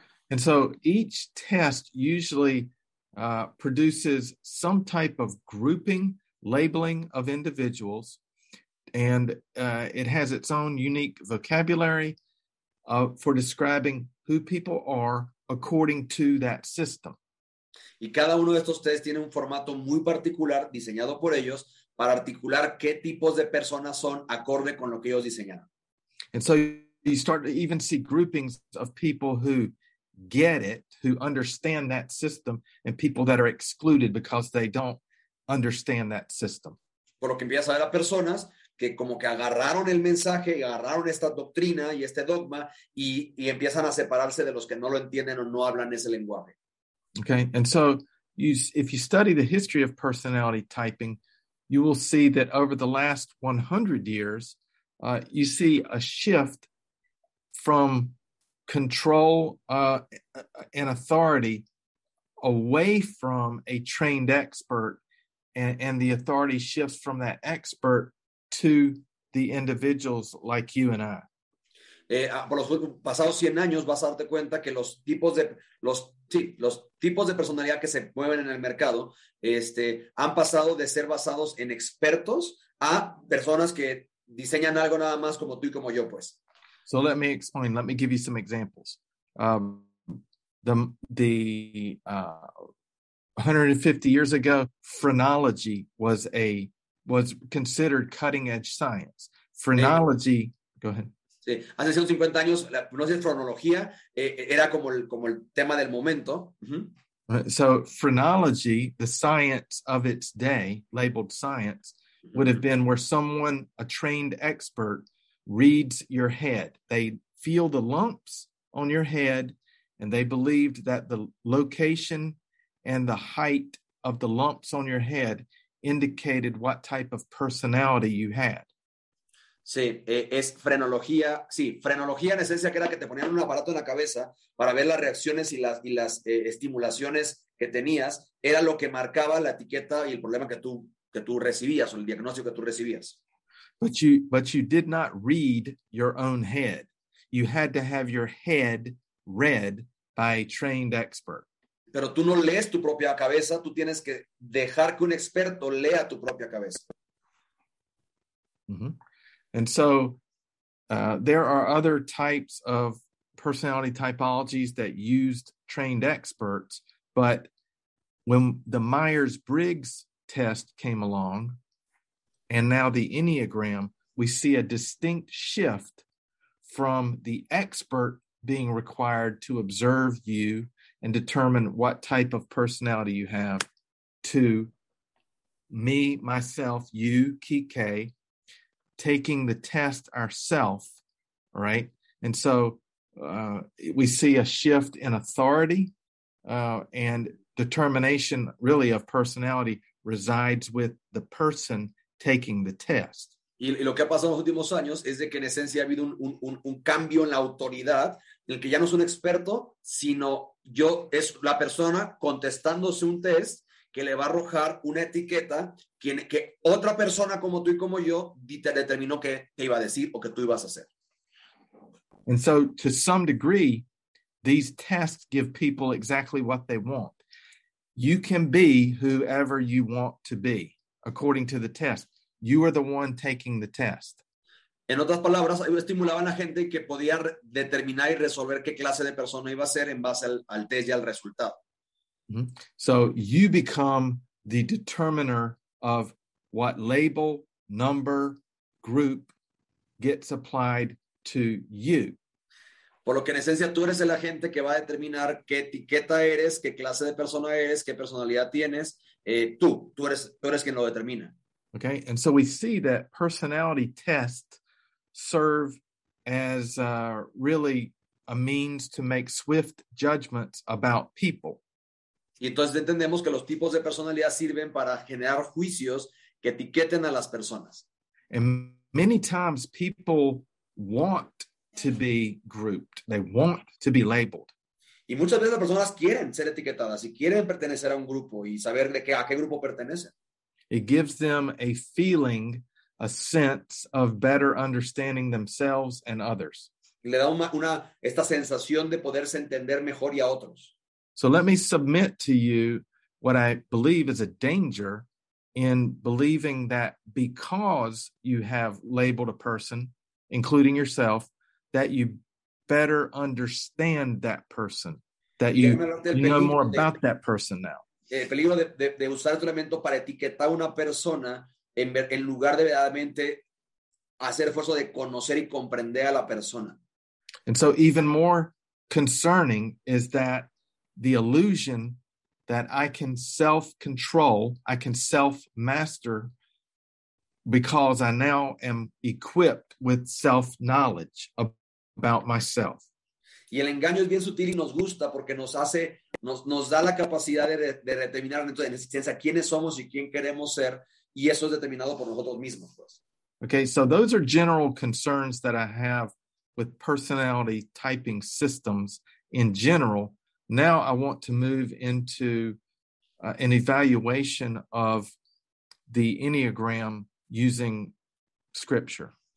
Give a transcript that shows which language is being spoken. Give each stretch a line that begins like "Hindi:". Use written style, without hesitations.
English: And so each test usually produces some type of grouping, labeling of individuals, and it has its own unique vocabulary for describing who people are according to that system.
Spanish: Y cada uno de estos test tiene un formato muy particular diseñado por ellos para articular qué tipos de personas son acorde con lo que ellos diseñaron.
English: And so you start to even see groupings of people who get it, who understand that system, and people that are excluded because they don't understand that system.
Spanish: Por lo que empiezas a ver a personas que como que agarraron el mensaje, agarraron esta doctrina y este dogma, y empiezan a separarse de los que no lo entienden o no hablan ese lenguaje.
English: Okay, and so if you study the history of personality typing, you will see that over the last 100 years, you see a shift from control and authority away from a trained expert, and the authority shifts from that expert to the individuals like you and I.
Spanish: Por los pasados 100 años vas a darte cuenta que los tipos de personalidad que se mueven en el mercado han pasado de ser basados en expertos a personas que diseñan algo nada más como tú y como yo, pues.
English: So let me explain. Let me give you some examples. The 150 years ago, phrenology was considered cutting edge science. Phrenology. Go ahead.
Spanish: Sí. Hace 150 años, la fronología era como el tema del momento. Uh-huh.
English: So phrenology, the science of its day, labeled science, would have been where someone, a trained expert, reads your head. They feel the lumps on your head, and they believed that the location and the height of the lumps on your head indicated what type of personality you had.
Spanish: Sí, es frenología. Sí, frenología en esencia que era que te ponían un aparato en la cabeza para ver las reacciones y las estimulaciones que tenías. Era lo que marcaba la etiqueta y el problema que tú recibías o el diagnóstico que tú recibías.
English: But you did not read your own head. You had to have your head read by a trained expert.
Spanish: Pero tú no lees tu propia cabeza. Tú tienes que dejar que un experto lea tu propia cabeza. Mm-hmm.
English: And so there are other types of personality typologies that used trained experts. But when the Myers-Briggs test came along, and now the Enneagram, we see a distinct shift from the expert being required to observe you and determine what type of personality you have to me, myself, you, Kike, taking the test ourselves, right? And so we see a shift in authority and determination really of personality resides with the person taking the test.
Spanish: Y lo que ha pasado en los últimos años es de que en esencia ha habido un cambio en la autoridad, en el que ya no es un experto, sino yo es la persona contestándose un test que le va a arrojar una etiqueta que otra persona como tú y como yo determinó que te iba a decir o que tú ibas a hacer.
English: And so, to some degree, these tests give people exactly what they want. You can be whoever you want to be. According to the test, you are the one taking the test.
Spanish: En otras palabras, estimulaban a gente que podía determinar y resolver qué clase de persona iba a ser en base al test y al resultado. Mm-hmm.
English: So you become the determiner of what label, number, group gets applied to you.
Spanish: Por lo que en esencia tú eres el agente que va a determinar qué etiqueta eres, qué clase de persona eres, qué personalidad tienes. Tú eres quien lo determina.
English: Okay, and so we see that personality tests serve as really a means to make swift judgments about people.
Spanish: Y entonces entendemos que los tipos de personalidad sirven para generar juicios que etiqueten a las personas.
English: And many times people want to be grouped. They want to be labeled.
Spanish: Y muchas veces las personas quieren ser etiquetadas y quieren pertenecer a un grupo y saber de qué, a qué grupo pertenecen.
English: It gives them a feeling, a sense of better understanding themselves and others.
Spanish: Le da una esta sensación de poderse entender mejor y a otros.
English: So let me submit to you what I believe is a danger in believing that because you have labeled a person, including yourself, that you better understand that person, that you, you know more about that person now.
Spanish: El peligro de usar este elemento para etiquetar a una persona en lugar de verdaderamente hacer esfuerzo de conocer y comprender a la persona.
English: And so even more concerning is that the illusion that I can self-control, I can self-master because I now am equipped with self-knowledge about myself.
Spanish: Y el engaño es bien sutil y nos gusta porque nos hace, nos da la capacidad de determinar entonces, en existencia quiénes somos y quién queremos ser, y eso es determinado por nosotros mismos. Pues.
English: Okay, so those are general concerns that I have with personality typing systems in general. Now I want to move into an evaluation of the Enneagram using scripture.